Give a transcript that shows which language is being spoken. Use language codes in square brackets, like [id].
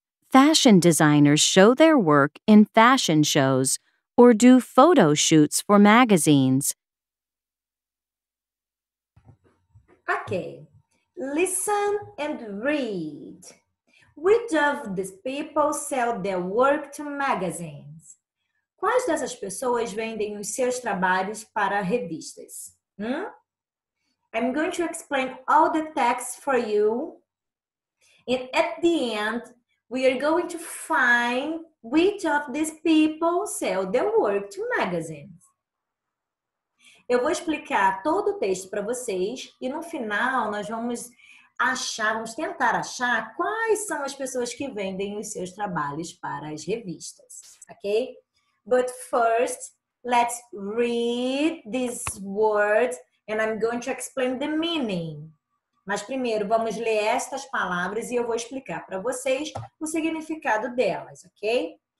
[en] Fashion designers show their work in fashion shows or do photo shoots for magazines. Okay. Listen and read. Which of these people sell their work to magazines? [pt] Quais dessas pessoas vendem os seus trabalhos para revistas? [en] I'm going to explain all the text for you. And at the end, we are going to find which of these people sell their work to magazines. [pt] Eu vou explicar todo o texto para vocês e no final nós vamos achar, vamos tentar achar quais são as pessoas que vendem os seus trabalhos para as revistas, ok? [en] But first, let's read this word and I'm going to explain the meaning. [pt] Mas primeiro vamos ler estas palavras e eu vou explicar para vocês o significado delas, ok?